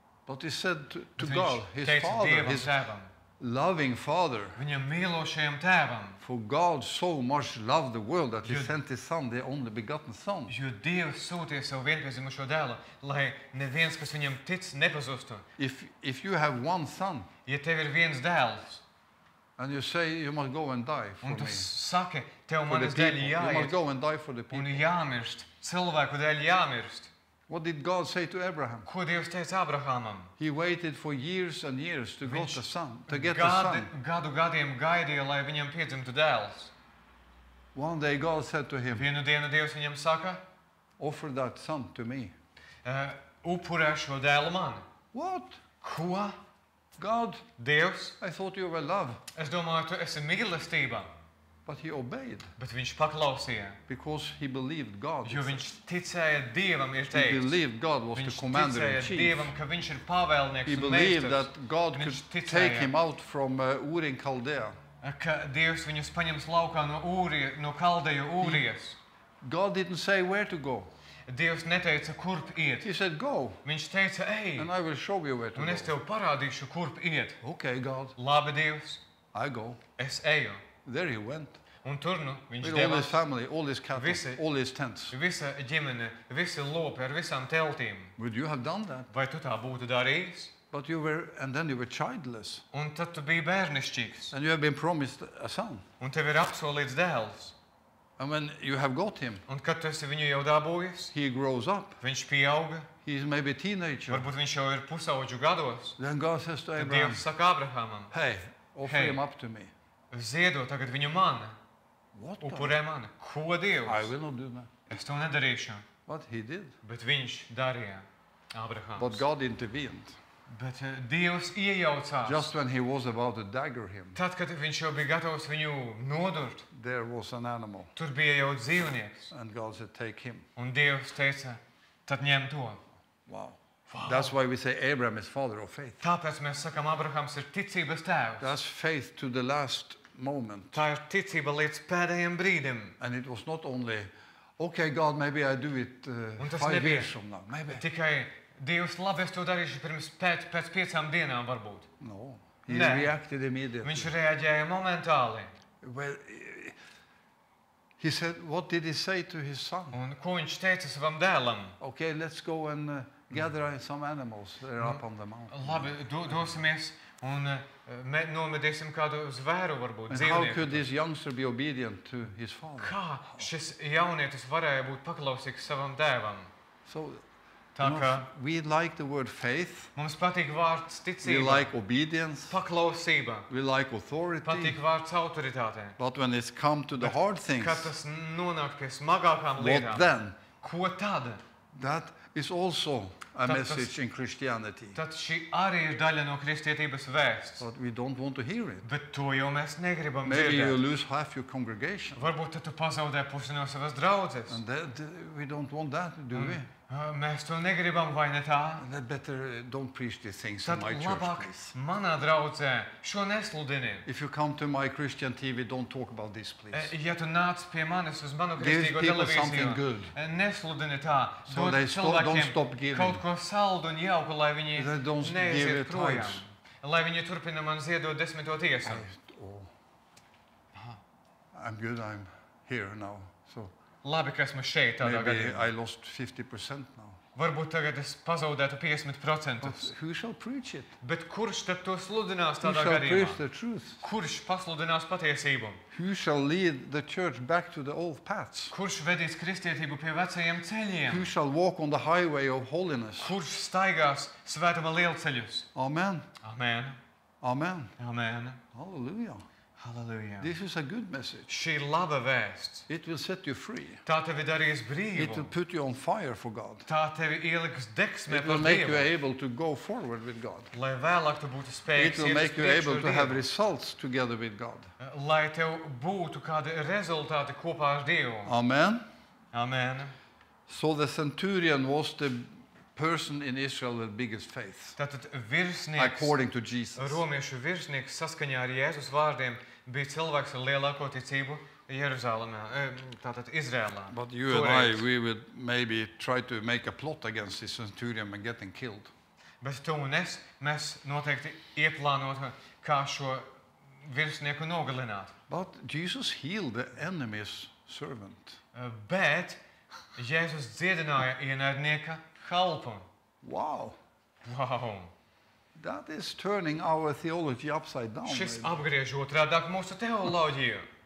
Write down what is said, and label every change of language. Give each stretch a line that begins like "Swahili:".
English: But he said to God, his father,
Latvian: Dievam
English: his
Latvian: tēvam,
English: loving father,
Latvian: viņa mīlošajam tēvam,
English: for God so much loved the world that he sent his son, the only begotten son.
Latvian: Jo Dievs sūtīja savu vienpiedzimušo dēlu, lai neviens, kas viņam tic, nepazustu.
English: If you have one son,
Latvian: ja tev ir viens dēls,
English: and you say you must go and die for
Latvian: un
English: me,
Latvian: saki, tev
English: for the people, you must go and die for the people,
Latvian: un jāmirst, cilvēku dēļ jāmirst.
English: What did God say to Abraham?
Latvian: Ko Dievs teica Abrahamam?
English: He waited for years and years to get the son. To get
Latvian: gadi,
English: the son.
Latvian: Gadu gadiem gaidīja, lai viņam piedzimtu dēls.
English: One day God said to him.
Latvian: Vienu dienu Dievs viņam saka.
English: Offer that son to me.
Latvian: Upurē šo dēlu man.
English: What?
Latvian: Ko?
English: God.
Latvian: Dievs.
English: I thought you were love.
Latvian: Es domāju, tu esi mīlestība.
English: But he obeyed.
Latvian: Bet viņš paklausīja.
English: Because he believed God.
Latvian: Jo viņš ticēja Dievam, ir teikts.
English: He believed God was the commander in chief.
Latvian: Dievam, ka viņš ir pavēlnieks un meistars.
English: He believed that God could take him out from Ur in Chaldea.
Latvian: Ka Dievs viņus paņems laukā no Ūrija, no Kaldeju Ūrijas.
English: God didn't say where to go.
Latvian: Dievs neteica, kurp iet.
English: He said, go.
Latvian: Viņš teica, ej.
English: And I will show you where to go.
Latvian: Un es tev parādīšu, kurp iet.
English: Okay, God.
Latvian: Labi, Dievs.
English: I go.
Latvian: Es eju.
English: There he went.
Latvian: Un tur, nu, viņš
English: with all his family, all his cattle,
Latvian: visi,
English: all his tents.
Latvian: Visa ģimene, visi lopi ar visām teltīm.
English: Would you have done that?
Latvian: Vai tu tā būtu darījis?
English: But you were, and then you were childless.
Latvian: Un tad tu biji bērnišķīgs.
English: And you have been promised a son.
Latvian: Un tev ir apsolīts dēls.
English: And when you have got him,
Latvian: un kad tu esi viņu jau dābūjis,
English: he grows up.
Latvian: Viņš pieauga.
English: He is maybe a teenager.
Latvian: Varbūt viņš jau ir pusauģu gados.
English: Then God says to Abraham,
Latvian: Dievs saka Abrahamam,
English: hey, offer him up to me.
Latvian: Ziedo tagad viņu man.
English: What?
Latvian: Upurē man. Ko Dievs?
English: I will not do that.
Latvian: Es to nedarīšu.
English: What he did.
Latvian: Bet viņš darīja. Abrahams.
English: But God intervened.
Latvian: Bet Dievs iejaucās.
English: Just when he was about to dagger him.
Latvian: Tad, kad viņš jau bija gatavs viņu nodurt.
English: There was an animal.
Latvian: Tur bija jau dzīvnieks.
English: And God said, take him.
Latvian: Un Dievs teica, tad ņem to.
English: Wow. That's why we say Abraham is father of faith.
Latvian: Tāpēc mēs sakam, Abrahams ir ticības tēvs.
English: That's faith to the last moment.
Latvian: Tā ir ticība līdz pēdējiem brīdiem.
English: And it was not only, okay, God, maybe I do it 5 years from now. Maybe.
Latvian: Tikai, Dievs, labi, es to darīšu pirms pēc piecām dienām, varbūt.
English: No. He reacted immediately.
Latvian: Viņš reaģēja momentāli.
English: Well, he said, what did he say to his son?
Latvian: Un ko viņš teica savam dēlam?
English: Okay, let's go and gather some animals there up on the mountain.
Latvian: Labi, dosimies un nomedīsim kādu zvēru, varbūt, dzīvnieku.
English: How could this youngster be obedient to his father?
Latvian: Kā šis jaunietis varēja būt paklausīgs savam tēvam?
English: So,
Latvian: tā kā,
English: we like the word faith.
Latvian: Mums patīk vārds ticība.
English: We like obedience.
Latvian: Paklausība.
English: We like authority.
Latvian: Patīk vārds autoritāte.
English: But when it's come to the hard things,
Latvian: kad tas nonāk pie smagākām lietām,
English: what then?
Latvian: Ko tad?
English: That is also a message in Christianity.
Latvian: Tad šī arī ir daļa no kristietības vēsts.
English: But we don't want to hear it.
Latvian: Bet to jau mēs negribam
English: Maybe
Latvian: dzirdēt.
English: Maybe you lose half your congregation.
Latvian: Varbūt tu pazaudē pusi no savas draudzes.
English: And that, we don't want that, do we?
Latvian: Mēs to negribam, vai ne tā?
English: And that better don't preach these things
Latvian: tad
English: in my church, please.
Latvian: Tad labāk manā draudzē šo nesludini.
English: If you come to my Christian TV, don't talk about this, please.
Latvian: Ja tu nāc pie manis uz manu kristīgo televīziju.
English: Give people something good.
Latvian: Nesludini tā.
English: So they don't stop giving.
Latvian: Kaut ko saldu un jauku, lai viņi neaiziet projām. Lai viņi turpina man ziedot desmito tiesu.
English: I'm good, I'm here now. So
Latvian: labi, ka esmu šeit tādā
English: maybe
Latvian: gadījumā.
English: Maybe I lost 50% now.
Latvian: Varbūt tagad es pazaudētu 50%.
English: But who shall preach it?
Latvian: Bet kurš tad to sludinās tādā gadījumā?
English: Who shall preach the truth?
Latvian: Kurš pasludinās patiesību?
English: Who shall lead the church back to the old paths?
Latvian: Kurš vedīs kristietību pie vecajiem ceļiem?
English: Who shall walk on the highway of holiness?
Latvian: Kurš staigās svētuma lielceļus? Amen. Amen. Amen. Amen. Hallelujah. Hallelujah.
English: This is a good message.
Latvian: Šī laba vēsts.
English: It will set you free.
Latvian: Tā tevi darīs brīvu.
English: It will put you on fire for God.
Latvian: Tā tevi ieliks deksmē par
English: Dievu. It will make you able to go forward with God.
Latvian: Lai vēlāk tu būtu spējīgs.
English: It will make you able to have results together with God.
Latvian: Lai tev būtu kādi rezultāti kopā ar Dievu. Amen. Amen.
English: So the centurion was the person in Israel with biggest faith.
Latvian: Tātad virsnieks,
English: according to Jesus.
Latvian: Romiešu virsnieks saskaņā ar Jēzus vārdiem bija cilvēks ar lielāko ticību Jeruzalemē, tātad Izrēlā.
English: But you and I, we would maybe try to make a plot against this centurion and getting killed.
Latvian: Bet tu un es, mēs noteikti ieplānotu, kā šo virsnieku nogalināt.
English: But Jesus healed the enemy's servant.
Latvian: Bet Jēzus dziedināja ienaidnieka kalpu. Wow. Wow.
English: That is turning our theology upside down.
Latvian: Šis apgriež otrādāk mūsu teoloģiju.